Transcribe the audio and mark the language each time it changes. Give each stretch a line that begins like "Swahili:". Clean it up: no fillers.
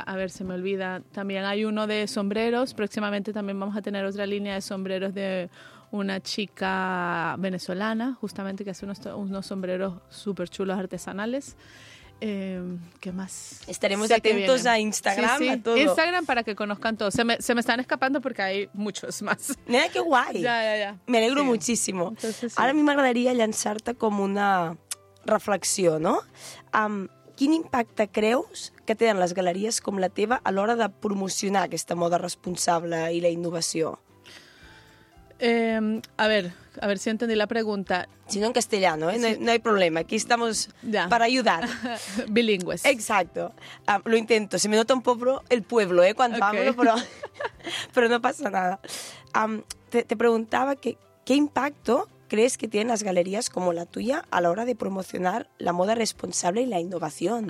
Spanish: A ver, se me olvida, también hay uno de sombreros, próximamente también vamos a tener otra línea de sombreros de una chica venezolana justamente que hace unos sombreros súper chulos artesanales. ¿Qué más? Estaremos sí atentos a Instagram, sí, sí, a todo. Instagram para que conozcan todo. Se me están escapando porque hay muchos más. Mira, qué guay. Ya. Me alegro sí muchísimo. Entonces, sí.
Catalan: Ara a mi m'agradaria llançar-te com una reflexió, no? Quin impacte creus que tenen les galeries com la teva a l'hora de promocionar aquesta moda responsable i la innovació?
Spanish: A ver si entendí la pregunta. Si no en castellano, ¿eh? No hay problema. Aquí estamos ya. Para ayudar. Bilingües. Exacto. Lo intento. Se me nota un poco el pueblo, ¿eh? Cuando hablo, okay. pero no pasa nada. Te preguntaba que, qué impacto crees que tienen las galerías como la tuya a la hora de promocionar la moda responsable y la innovación.